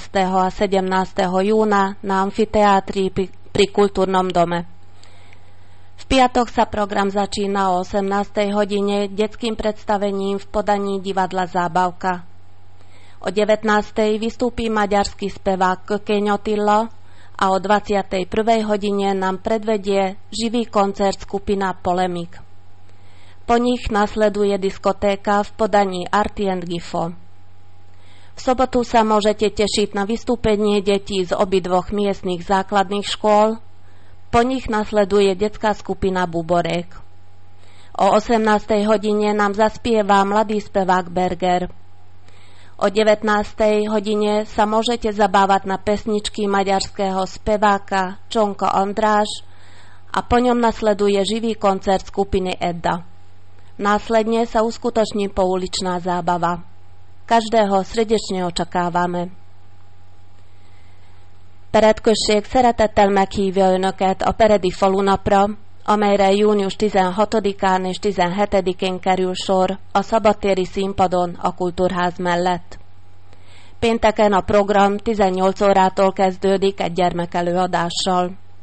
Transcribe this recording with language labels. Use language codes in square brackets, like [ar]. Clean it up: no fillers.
[sk] a 17. júna na amfiteátri pri kultúrnom dome. V piatok sa program začína o 18. hodine detským predstavením v podaní divadla Zábavka. O 19. vystúpi maďarský spevák Kökeň Otillo a o 21. hodine nám predvedie živý koncert skupina Polemik. Po nich nasleduje diskotéka v podaní Arty and Gifo. V sobotu sa môžete tešiť na vystúpenie detí z obidvoch miestnych základných škôl, po nich nasleduje detská skupina Buborek. O 18. hodine nám zaspievá mladý spevák Berger. O 19. hodine sa môžete zabávať na pesničky maďarského speváka Čonko Ondráš a po ňom nasleduje živý koncert skupiny Edda. Následne sa uskutoční pouličná zábava. Každého srdečne očakávame. [hu] Peredkösség szeretettel meghívja önöket a Peredi falunapra, amelyre június 16-án és 17-én kerül sor a szabadtéri színpadon a kultúrház mellett. Pénteken a program 18 órától kezdődik egy gyermekelőadással.